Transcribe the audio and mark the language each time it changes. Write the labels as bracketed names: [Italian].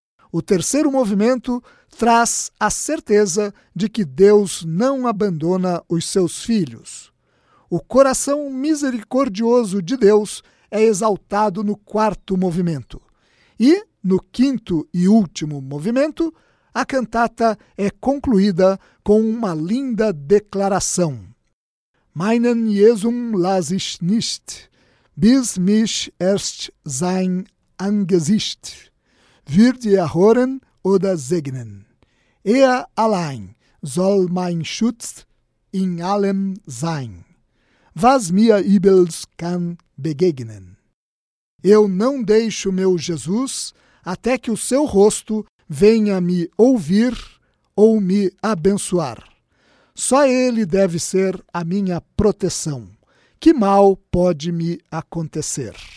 [Portuguese] O terceiro movimento traz a certeza de que Deus não abandona os seus filhos. O coração misericordioso de Deus é exaltado no quarto movimento. E, no quinto e último movimento, a cantata é concluída com uma linda declaração. [German] Meinen Jesum lasse ich nicht, bis mich erst sein Angesicht wird erhören oder segnen. Er allein soll mein Schutz in allem sein, was mir übels kann begegnen. [Portuguese] Eu não deixo meu Jesus até que o seu rosto venha me ouvir ou me abençoar. Só ele deve ser a minha proteção. Que mal pode me acontecer?